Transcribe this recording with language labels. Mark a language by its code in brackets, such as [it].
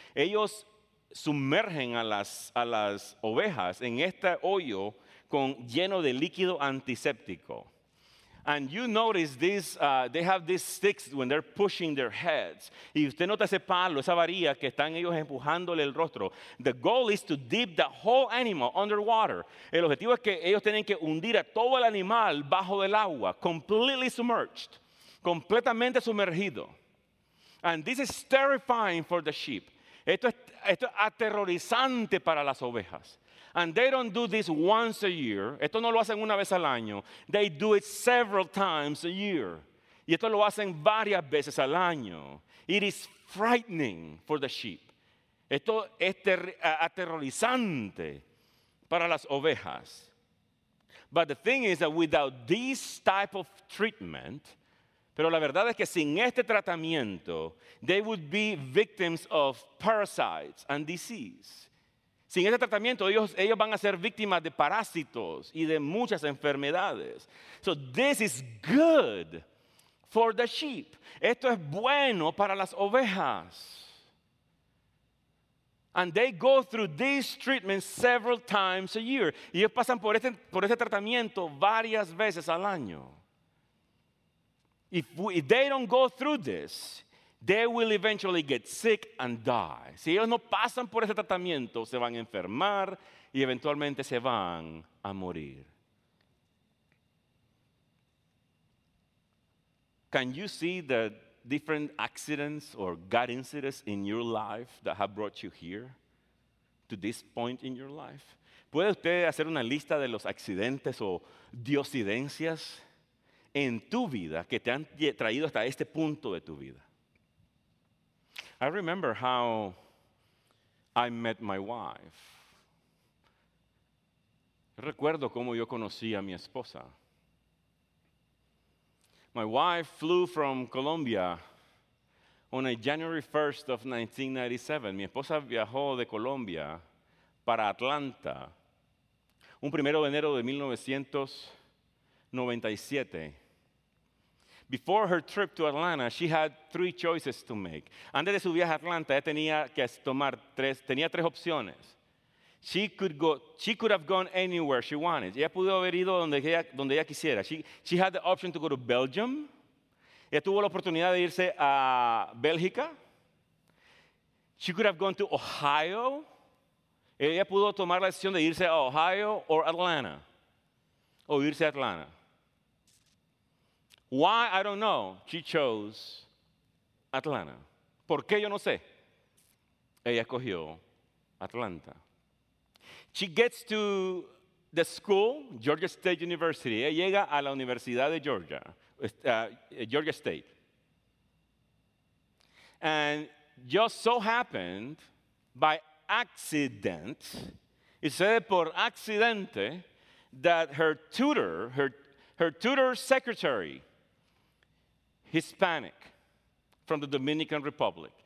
[es] Ellos sumergen a las ovejas en este hoyo con lleno de líquido antiséptico. [en] And you notice this, they have these sticks when they're pushing their heads. [es] Y usted nota ese palo, esa varilla que están ellos empujándole el rostro. [en] The goal is to dip the whole animal underwater. [es] El objetivo es que ellos tienen que hundir a todo el animal bajo el agua, [en] completely submerged, [es] completamente sumergido. [en] And this is terrifying for the sheep. [es] Esto es aterrorizante para las ovejas. [en] And they don't do this once a year. [es] Esto no lo hacen una vez al año. [en] They do it several times a year. [es] Y esto lo hacen varias veces al año. [en] It is frightening for the sheep. [es] Esto es aterrorizante para las ovejas. [en] But the thing is that without this type of treatment, [es] pero la verdad es que sin este tratamiento, [en] they would be victims of parasites and disease. [es] Sin este tratamiento, ellos van a ser víctimas de parásitos y de muchas enfermedades. [en] So this is good for the sheep. [es] Esto es bueno para las ovejas. [en] And they go through this treatment several times a year. [es] Y ellos pasan por este tratamiento varias veces al año. [en] If they don't go through this, they will eventually get sick and die. [es] Si ellos no pasan por ese tratamiento, se van a enfermar y eventualmente se van a morir. [en] Can you see the different accidents or God incidents in your life that have brought you here to this point in your life? [es] ¿Puede usted hacer una lista de los accidentes o diocidencias en tu vida que te han traído hasta este punto de tu vida? [en] I remember how I met my wife. [es] Recuerdo cómo yo conocí a mi esposa. [en] My wife flew from Colombia on a January 1st of 1997. [es] Mi esposa viajó de Colombia para Atlanta un primero de enero de 1997. [en] Before her trip to Atlanta, she had three choices to make. [es] Antes de su viaje a Atlanta, ella tenía tres opciones. [en] She could have gone anywhere she wanted. [es] Ella pudo haber ido donde ella quisiera. [en] She had the option to go to Belgium. [es] Ella tuvo la oportunidad de irse a Bélgica. [en] She could have gone to Ohio. [es] Ella pudo tomar la decisión de irse a Ohio or Atlanta. O irse a Atlanta. [en] Why? I don't know. She chose Atlanta. [es] ¿Por qué? Yo no sé. Ella escogió Atlanta. [en] She gets to the school, Georgia State University. [es] Ella llega a la Universidad de Georgia, Georgia State. [en] And just so happened, by accident, [es] y se ve por accidente, [en] that her tutor's secretary, Hispanic, from the Dominican Republic.